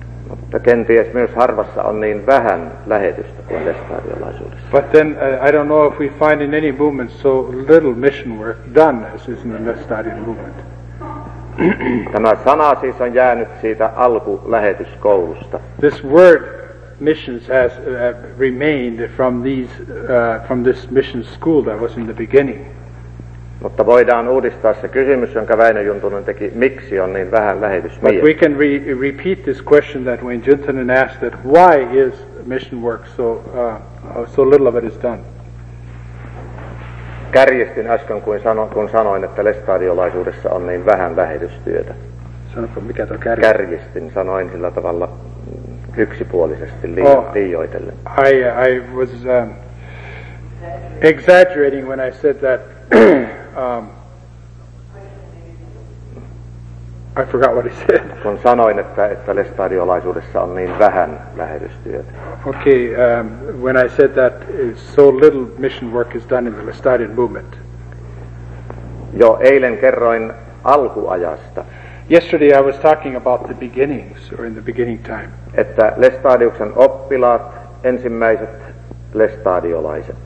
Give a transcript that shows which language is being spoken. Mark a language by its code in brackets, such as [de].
[fi] Mutta kenties myös harvassa on niin vähän lähetystä kuin lestadiolaisuudessa. [en] But then I don't know if we find in any movement so little mission work done as is in the Lestadian movement. [fi] Tämä sana siis on jäänyt siitä alkulähetyskoulusta. [en] This word missions has remained from this mission school that was in the beginning. [fi] Mutta voidaan uudistaa se kysymys, jonka Väinö Juntunen teki, miksi on niin vähän lähetysmiehiä. [en] But we can repeat this question that Wayne Juntunen asked, that why is mission work so little of it is done? [fi] Kärjestin äsken, kun sanoin, että lestadiolaisuudessa on niin vähän lähetystyötä. Sanoitko, mikä tuo kärjestin? Kärjestin, sanoin sillä tavalla yksipuolisesti liioitellen. [en] I was exaggerating when I said that. I forgot what he said. [fi] Kun sanoin, että lestadiolaisuudessa on niin vähän lähetystyötä. [en] Okay, when I said that so little mission work is done in the Lestadian movement. [fi] Jo eilen kerroin alkuajasta. [en] Yesterday I was talking about the beginnings, or in the beginning time. [fi] Että Lestadiuksen oppilaat, ensimmäiset lestadiolaiset.